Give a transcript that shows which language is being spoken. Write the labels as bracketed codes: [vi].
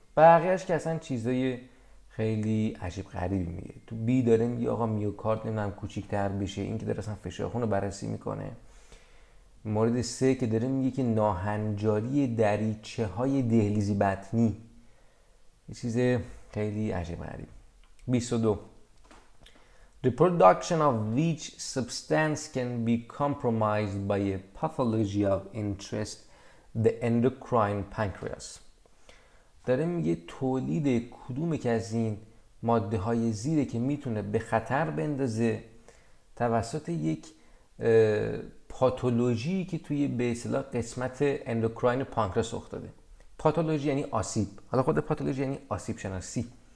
[fa] بقیه‌اش که اصلا چیزای خیلی عجیب غریبی میگه. تو بی داره میگه آقا میوکارد نمیدونم کوچیک‌تر بشه، این که داره اصلا فشار خون رو بررسی میکنه. مورد سه که داره میگه که ناهنجاری دریچه های دهلیزی بطنی، یه چیز خیلی عجیب غریب. 22. [en] The production of which substance can be compromised by a pathology of interest, the endocrine pancreas. [fa] داره میگه تولید کدوم که از این ماده های زیره که میتونه به خطر بندازه توسط یک پاتولوژی که توی به اصطلاح قسمت اندوکراین پانکراس رخ داده. پاتولوژی یعنی آسیب، حالا خود پاتولوژی یعنی آسیب شناسی.